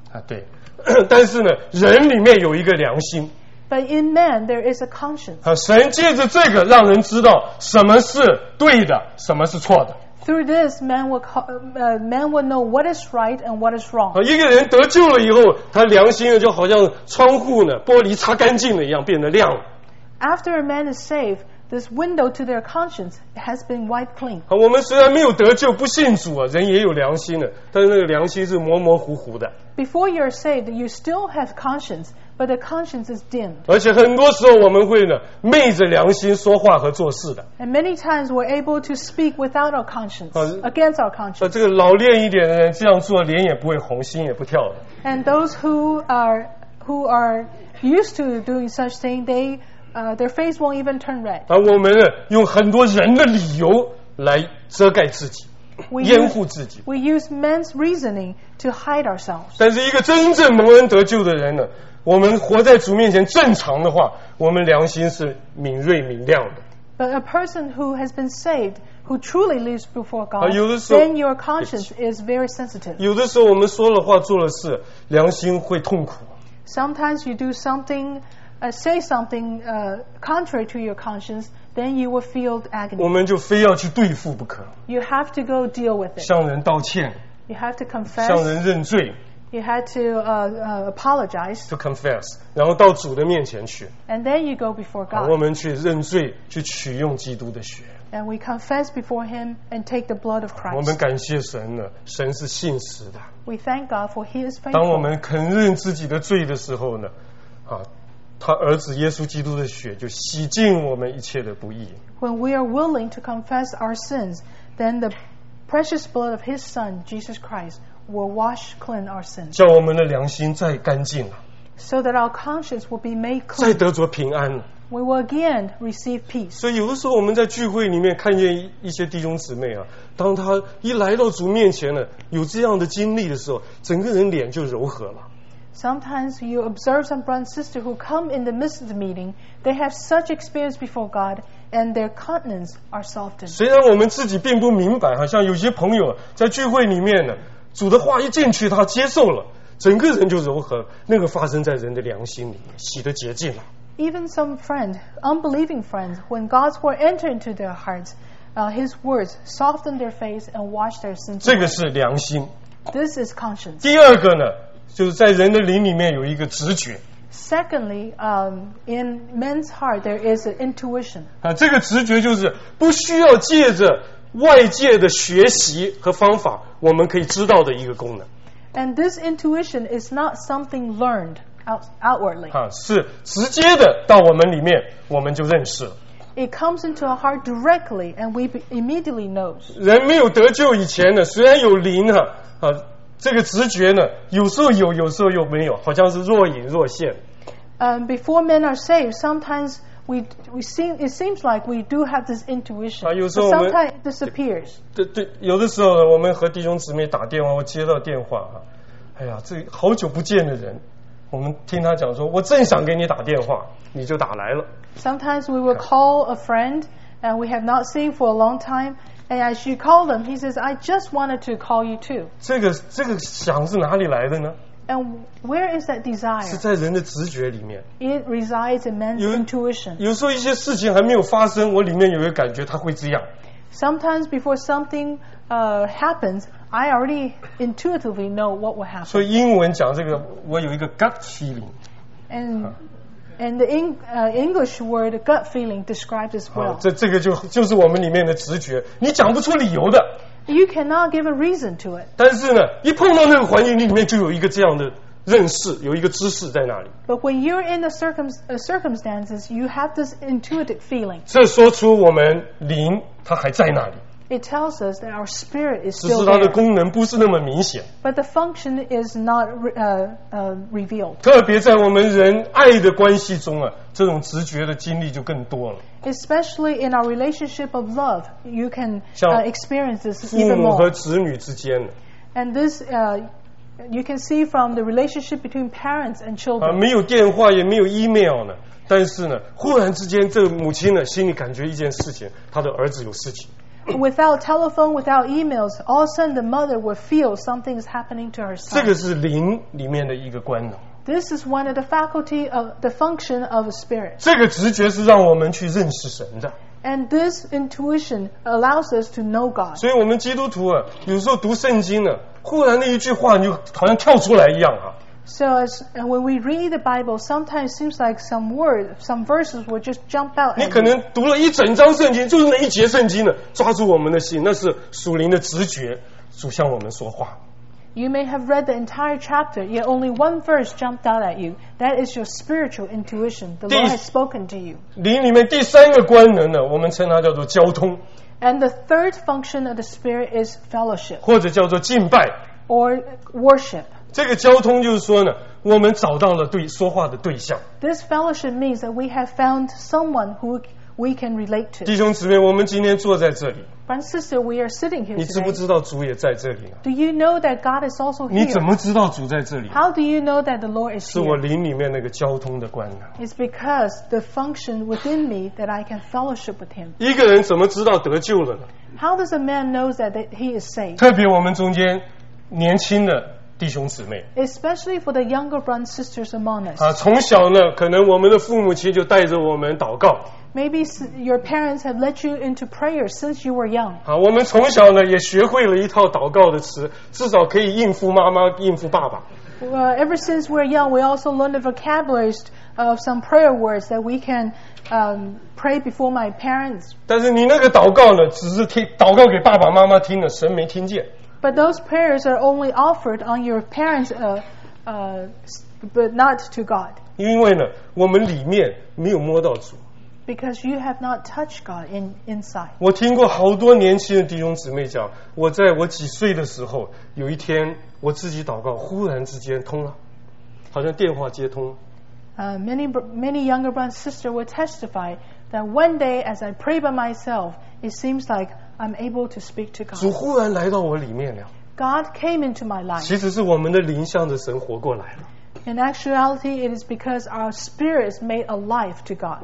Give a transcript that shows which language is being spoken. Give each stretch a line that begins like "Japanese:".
Chinese: 啊，对。但是呢，人里面有一个良心。
English: But in man, there is a conscience.
Chinese: 神借着这个让人知道什么是对的，什么是错的。
English: Through this, man will know what is right and what is wrong.
Chinese: 一个人得救了以后，他良心就好像窗户呢，玻璃擦干净了一样，变得亮了。
English: After a man is saved, this window to their conscience has been wiped clean.
Chinese: 我们虽然没有得救，不信主啊，人也有良心的，但是那个良心是模模糊糊的。
English: Before you are saved, you still have conscience, but the conscience is dimmed.
Chinese: 而且很多时候我们会呢，昧着良心说话和做事的。
English: And many times we're able to speak without our conscience, against our conscience.
Chinese: 这个老练一点的人这样做，脸也不会红，心也不跳的。
English: And those who are used to doing such thing, they their face won't even turn red.
Chinese: 而我们呢，用很多人的理由来遮盖自己。掩护自己。
English: We use men's reasoning to hide ourselves.
Chinese: 但是一个真正蒙恩得救的人呢，我们活在主面前正常的话，我们良心是敏锐明亮的。
English: But a person who has been saved, who truly lives before God, then your conscience is very sensitive.
Chinese: 有的时候我们说了话做了事，良心会痛苦。
English: Sometimes you do something, say something contrary to your conscience,then you will feel agony.
Chinese: 我们就非要去对付不可。
English: You have to go deal with it.
Chinese: 向人道歉。
English: You have to confess.
Chinese: 向人认罪。
English: You have to apologize. To confess.
Chinese: 然后到主的面前去。
English: And then you go before God.
Chinese: 我们去认罪，去取用基督的血。
English: And we confess before him and take the blood of Christ.
Chinese: 我们感谢神了，神是信实的。
English: We thank God for he is faithful.
Chinese: 当我们肯认自己的罪的时候呢，他儿子耶稣基督的血就洗净我们一切的不义。
English: When we are willing to confess our sins, then the precious blood of His Son Jesus Christ will wash clean our sins.
Chinese: 叫我们的良心再干净了。
English: So that our conscience will be made clean.
Chinese: 再得着平安。
English: We will again receive peace.
Chinese: 所以有的时候我们在聚会里面看见一些弟兄姊妹啊，当他一来到主面前呢，有这样的经历的时候，整个人脸就柔和了。
English: Sometimes you observe some brother and sister who come in the midst of the meeting. They have such experience before God, and their countenance are softened.
Chinese: 虽然我们自己并不明白，好像有些朋友在聚会里面呢，主的话一进去，他接受了，整个人就柔和。那个发生在人的良心里面，洗得洁净了。
English: Even some friend, unbelieving friends, when God's word entered into their hearts, His words softened their face and washed their sins.
Chinese: 这个是良心。
English: This is conscience.
Chinese: 第二个呢？就是在人的灵里面有一个直觉。
English: Secondly, in man's heart there is an intuition.
Chinese: 这个直觉就是不需要借着外界的学习和方法，我们可以知道的一个功能。
English: And this intuition is not something learned outwardly.
Chinese: 是直接的到我们里面，我们就认识。
English: It comes into our heart directly, and we immediately know.
Chinese: 人没有得救以前呢，虽然有灵这个直觉呢，有时候有，有时候又没有，好像是若隐若现。
English: Before men are saved, sometimes it seems like we do have this intuition.
Chinese: 有时候我们
English: sometimes it disappears.
Chinese: 对，有的时候呢，我们和弟兄姊妹打电话，我接到电话哎呀，这好久不见的人，我们听他讲说，我正想给你打电话，你就打来了。
English: Sometimes we will call a friend and we have not seen for a long time. And as you call them, he says, I just wanted to call you too.
Chinese: 这个想是哪里来的呢？
English: And where is that desire?
Chinese: 是在人的直觉里面。
English: It resides in man's intuition.
Chinese: 有时候一些事情还没有发生，我里面有一个感觉他会这样。
English: Sometimes before something happens, I already intuitively know what will happen.
Chinese: 所以英文讲这个，我有一个 gut feeling.
English: And the English word gut feeling describes as well.
Chinese: 这个就是我们里面的直觉，你讲不出理由的。
English: You cannot give a reason to it.
Chinese: 但是呢，一碰到那个环境，你里面就有一个这样的认识，有一个知识在那里。
English: But when you're in the circumstances, you have this intuitive feeling.
Chinese: 这说出我们灵它还在那里。
English: It tells us that our spirit is still there.
Chinese: 只是它的功能不是那么明显。
English: But the function is not revealed.
Chinese: 特别在我们人爱的关系中啊，这种直觉的经历就更多了。
English: Especially in our relationship of love, you can experience this even more.
Chinese: 像父母和子女之间。
English: And this, you can see from the relationship between parents and children.
Chinese: 没有电话，也没有 email 呢，但是呢，忽然之间，这个母亲呢，心里感觉一件事情，她的儿子有事情。
English: Without telephone, without emails, all of a sudden the mother will feel something is happening to her son.
Chinese: 这个是灵里面的一个官能。
English: This is one of the faculty of the function of a spirit.
Chinese: 这个直觉是让我们去认识神的。
English: And this intuition allows us to know God.
Chinese: 所以我们基督徒啊，有时候读圣经呢，忽然那一句话你就好像跳出来一样啊。
English: So as when we read the Bible, sometimes it seems like some word, some verses will just jump out.
Chinese: 你可能读了一整章圣经，就是那一节圣经呢，抓住我们的心，那是属灵的直觉，主向我们说话。
English: You may have read the entire chapter, yet only one verse jumped out at you. That is your spiritual intuition. The Lord has spoken to you.
Chinese: 灵里面第三个官能呢，我们称它叫做交通。
English: And the third function of the spirit is fellowship.
Chinese: 或者叫做敬拜。
English: Or worship.
Chinese: 这个交通就是说呢，我们找到了对说话的对象。
English: This fellowship means that we have found someone who we can relate to.
Chinese: 弟兄姊妹，我们今天坐在这里。
English: Sister, we are sitting here today.
Chinese: 你知不知道主也在这里呢？
English: Do you know that God is also here?
Chinese: 你怎么知道主在这里？
English: How do you know that the Lord is here?
Chinese: 是我灵里面那个交通的官能。
English: It's because the function within me that I can fellowship with him.
Chinese: 一个人怎么知道得救了呢？
English: How does a man know that he is saved?
Chinese: 特别我们中间年轻的弟兄姊妹。
English: Especially for the younger brothers and sisters among us.
Chinese: 啊，从小呢，可能我们的父母亲就带着我们祷告。
English: Maybe your parents have led you into prayer since you were young.
Chinese: 好，我们从小呢也学会了一套祷告的词，至少可以应付妈妈，应付爸爸。
English: Ever since we're young, we also learned the vocabularies of some prayer words that we can pray before my parents.
Chinese: 但是你那个祷告呢，只是听祷告给爸爸妈妈听的，神没听见。
English: But those prayers are only offered on your parents, but not to God.
Chinese: 因为呢，我们里面没有摸到主。
English: Because you have not touched God inside.
Chinese: 我听过好多年轻的弟兄姊妹讲，我在我几岁的时候，有一天我自己祷告，忽然之间通了，好像电话接通了。
English: Many younger brothers and sisters will testify that one day as I pray by myself, it seems like I'm able to speak to God.
Chinese: 主忽然来到我里面了。
English: God came into my life.
Chinese: 其实是我们的灵向着神活过来了。
English: In actuality, it is because our spirit is made alive to God.